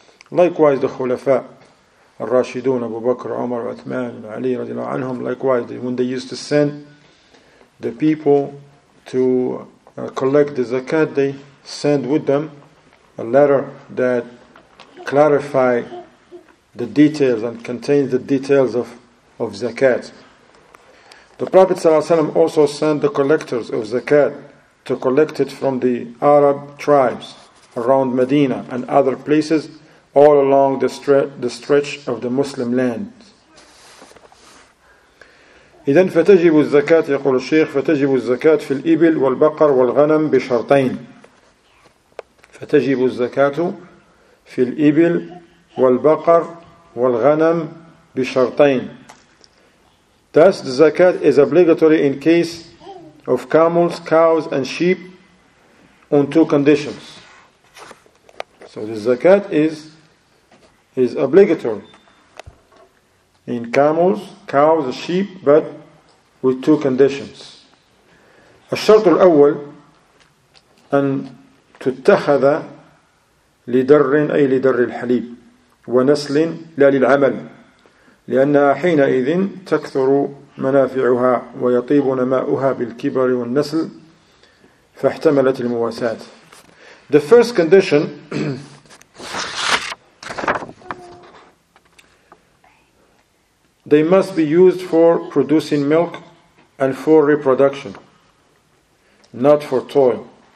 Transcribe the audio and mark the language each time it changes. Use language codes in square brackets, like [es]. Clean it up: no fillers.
[en] Likewise, the khulafa, al-Rashidun, Abu Bakr, Umar, Uthman, Ali, radiallahu anhum, likewise, when they used to send the people to collect the zakat, they send with them a letter that clarify the details and contains the details of zakat. The Prophet ﷺ also sent the collectors of zakat to collect it from the Arab tribes around Medina and other places all along the stretch of the Muslim land. [ar] إذن فتجب الزكاة يقول الشيخ فتجب الزكاة في الإبل والبقر والغنم بشرطين فتجب الزكاة في الإبل والبقر والغنم بشرطين. [en] Thus the zakat is obligatory in case of camels, cows and sheep on two conditions. So the zakat is obligatory in camels, cows, sheep, but with two conditions. [ar] الشرط الأول أن تتخذ لدر أي لدر الحليب ونسل لا للعمل لأنها حينئذ تكثر منافعها ويطيب نماؤها بالكبر والنسل فاحتملت المواساة. [en] The first condition they must be used for producing milk and for reproduction, not for toil.